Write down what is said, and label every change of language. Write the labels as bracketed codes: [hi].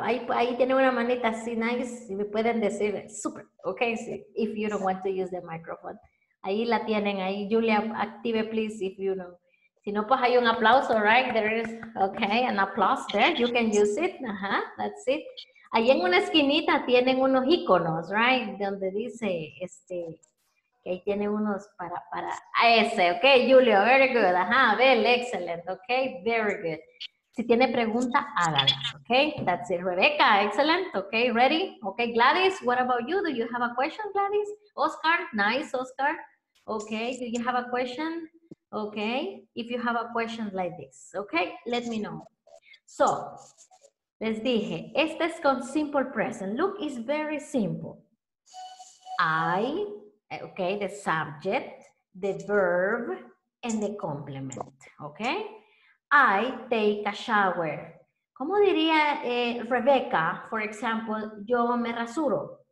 [es] Ahí tiene una manita así nice y me pueden decir super. [en] Okay, so if you don't want to use the microphone. [es] Ahí la tienen ahí. Julia, [en] active please if you know. [es] Si no, pues hay un aplauso, right? [en] There is, okay, an applause there. You can use it. Uh-huh, that's it. [es] Ahí en una esquinita tienen unos iconos, right? Donde dice, este, que ahí tiene unos para ese. [en] Okay, Julio, very good. Ajá, Bel, excellent. Okay, very good. [es] Si tiene pregunta, háganla. [en] Okay, that's it. Rebecca, excellent. Okay, ready? Okay, Gladys, what about you? Do you have a question, Gladys? Oscar, nice, Oscar. Okay, do you have a question? Okay, if you have a question like this, okay, let me know. [es] So, les dije, este es con simple present. [en] Look, it's very simple. I, okay, the subject, the verb, and the complement, okay? I take a shower. [es] ¿Cómo diría Rebecca, [en] for example, [es] yo me rasuro?